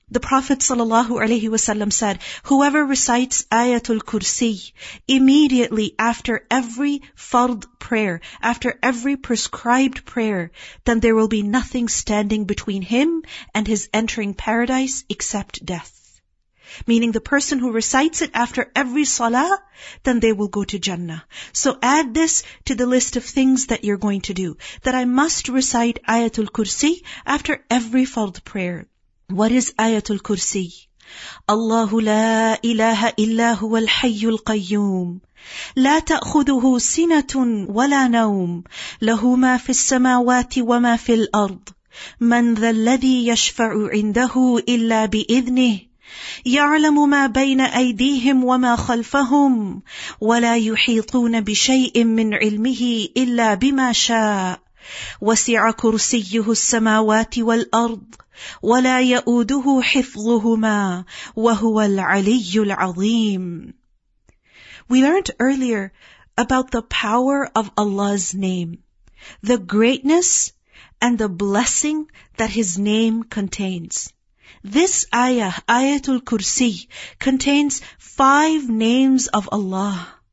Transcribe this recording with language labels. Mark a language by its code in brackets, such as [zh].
[en] The Prophet sallallahu alaihi wasallam said, whoever recites Ayatul Kursi immediately after every fard prayer, after every prescribed prayer, then there will be nothing standing between him and his entering paradise except death. Meaning the person who recites it after every salah, then they will go to Jannah. So add this to the list of things that you're going to do, that I must recite Ayatul Kursi after every fard prayer. What is Ayatul Kursi? [ar] الله لا إله إلا هو الحي القيوم لا تأخذه سنة ولا نوم له ما في السماوات وما في الأرض من ذا الذي يشفع عنده إلا بإذنه يعلم ما بين أيديهم وما خلفهم ولا يحيطون بشيء من علمه إلا بما شاء وسع كرسيه السماوات والأرض ولا يؤوده حفظهما وهو العلي العظيم. [en] We learned earlier about the power of Allah's name, the greatness and the blessing that His name contains. This ayah, Ayatul Kursi, contains five names of Allah.